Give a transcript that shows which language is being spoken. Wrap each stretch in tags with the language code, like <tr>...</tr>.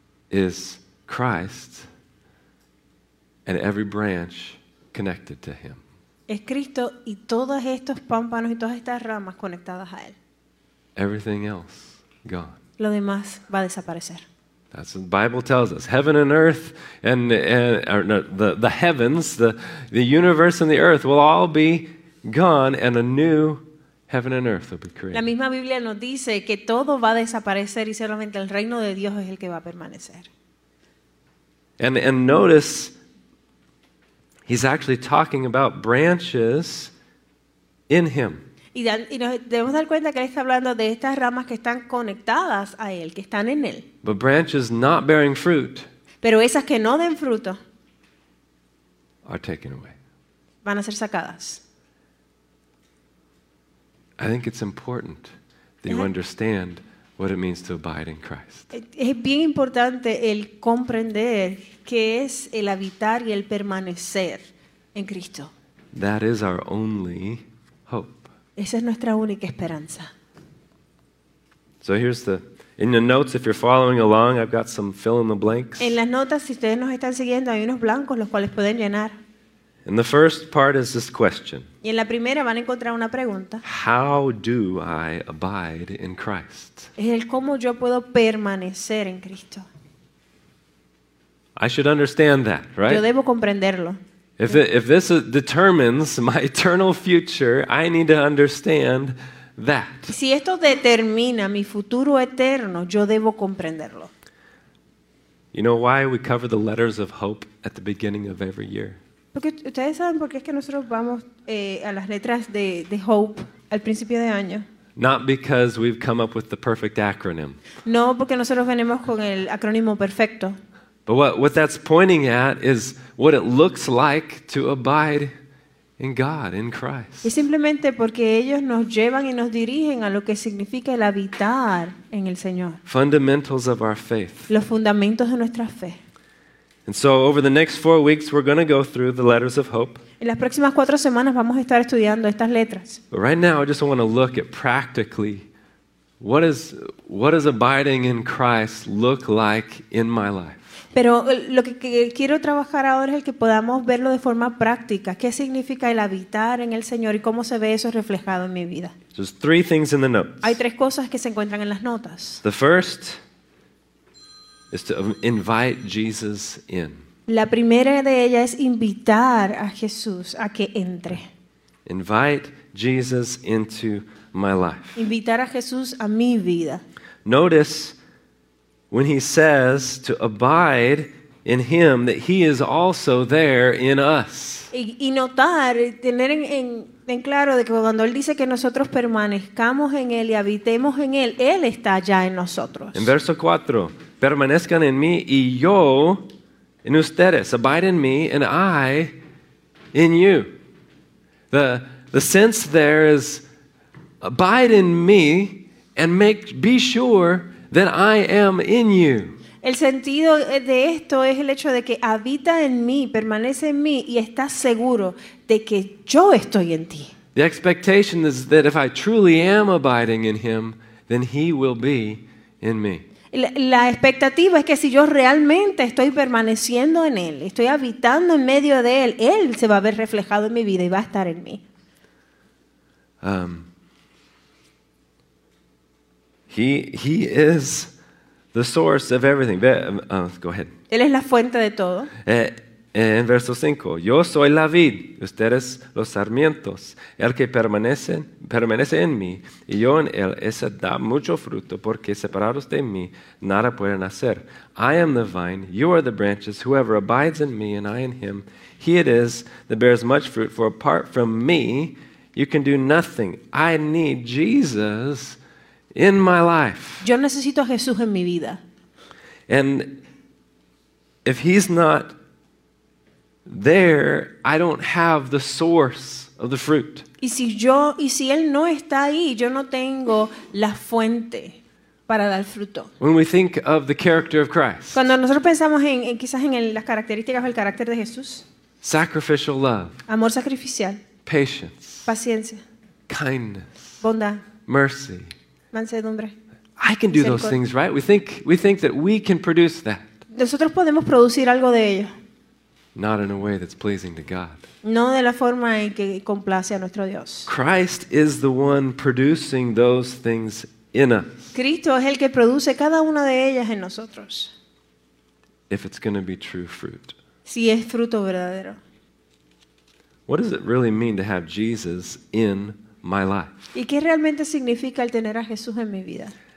<en>Is Christ and every branch connected to him.</en> <es>Es Cristo y todos estos pámpanos y todas estas ramas conectadas a él.</es> <en>Everything else gone.</en> <es>Lo demás va a desaparecer.</es> <en>That's what the Bible tells us. Heaven and earth the universe and the earth will all be gone and a new heaven and earth will be created.</en> <es>La misma Biblia nos dice que todo va a desaparecer y solamente el reino de Dios es el que va a permanecer.</es> <en>And notice, he's actually talking about branches in him.</en> <es>Y nos debemos dar cuenta que él está hablando de estas ramas que están conectadas a él, que están en él.</es> <en>But branches not bearing fruit.</en> <es>Pero esas que no den fruto.</es> <en>Are taken away.</en> <es>Van a ser sacadas.</es> <en>I think it's important that you understand what it means to abide in Christ.</en> <es>Es bien importante el comprender qué es el habitar y el permanecer en Cristo.</es> <en>That is our only hope.</en> <es>Esa es nuestra única esperanza.</es> <en>So here's in the notes, if you're following along, I've got some fill in the blanks.</en> <es>En las notas, si ustedes nos están siguiendo, hay unos blancos los cuales pueden llenar.</es> <en>And the first part is this question.</en> <es>Y en la primera van a encontrar una pregunta.</es> <en>How do I abide in Christ?</en> <es>Es el cómo yo puedo permanecer en Cristo.</es> <en>I should understand that, right?</en> <es>Yo debo comprenderlo.</es> <en>If this determines my eternal future, I need to understand that.</en> <es>Si esto determina mi futuro eterno, yo debo comprenderlo.</es> <en>You know why we cover the letters of hope at the beginning of every year?</en> <es>Porque ustedes saben por qué es que nosotros vamos a las letras de Hope al principio de año.</es> <en>Not because we've come up with the perfect acronym.</en> <es>No, porque nosotros venimos con el acrónimo perfecto.</es> <en>But what that's pointing at is what it looks like to abide in God, in Christ.</en> <es>Y simplemente porque ellos nos llevan y nos dirigen a lo que significa el habitar en el Señor.</es> <en>Fundamentals of our faith.</en> <es>Los fundamentos de nuestra fe.</es> <en>And so over the next 4 weeks we're going to go through the letters of hope.</en> <es>En las próximas 4 semanas vamos a estar estudiando estas letras.</es> <en>But right now I just want to look at practically what is abiding in Christ look like in my life.</en> <es>Pero lo que quiero trabajar ahora es el que podamos verlo de forma práctica. ¿Qué significa el habitar en el Señor y cómo se ve eso reflejado en mi vida?</es> <en>There's three things in the notes.</en> <es>Hay tres cosas que se encuentran en las notas.</es> <en>The first is to invite Jesus in.</en> <es>La primera de ellas es invitar a Jesús a que entre.</es> <en>Invite Jesus into my life.</en> <es>Invitar a Jesús a mi vida.</es> <en>Notice when he says to abide in him that he is also there in us.</en> <es>Y notar, tener en claro de que cuando él dice que nosotros permanezcamos en él y habitemos en él, él está ya en nosotros. En verso 4, permanezcan en mí y yo en ustedes.</es> <en>Abide in me and I in you. The sense there is abide in me and be sure that I am in you.</en> <es>El sentido de esto es el hecho de que habita en mí, permanece en mí y está seguro de que yo estoy en ti.</es> <en>The expectation is that if I truly am abiding in him, then he will be in me.</en> <es>La expectativa es que si yo realmente estoy permaneciendo en él, estoy habitando en medio de él, él se va a ver reflejado en mi vida y va a estar en mí.</es> <en>He is the source of everything. Go ahead.</en> <es>Él es la fuente de todo. En verso 5, yo soy la vid, ustedes los sarmientos. El que permanece en mí y yo en él, ese da mucho fruto, porque separados de mí nada pueden hacer.</es> <en>I am the vine, you are the branches. Whoever abides in me and I in him, he it is that bears much fruit. For apart from me, you can do nothing. I need Jesus in my life.</en> <es>Yo necesito a Jesús en mi vida.</es> <en>And if he's not there, I don't have the source of the fruit.</en> <es>Y si él no está ahí, yo no tengo la fuente para dar fruto.</es> <en>When we think of the character of Christ.</en> <es>Cuando nosotros pensamos en las características o el carácter de Jesús.</es> <en>Sacrificial love.</en> <es>Amor sacrificial.</es> <en>Patience.</en> <es>Paciencia.</es> <en>Kindness.</en> <es>Bondad.</es> <en>Mercy.</en> <es>Mansedumbre.</es> <en>I can do those things, right? We think that we can produce that.</en> <es>Nosotros podemos producir algo de ello.</es> <en>Not in a way that's pleasing to God.</en> <es>No de la forma en que complace a nuestro Dios.</es> <en>Christ is the one producing those things in us.</en> <es>Cristo es el que produce cada una de ellas en nosotros.</es> <en>If it's going to be true fruit.</en> <es>Si es fruto verdadero.</es> <en>What does it really mean to have Jesus in my life?</en> <es>¿Y qué realmente significa el tener a Jesús en mi vida?</es>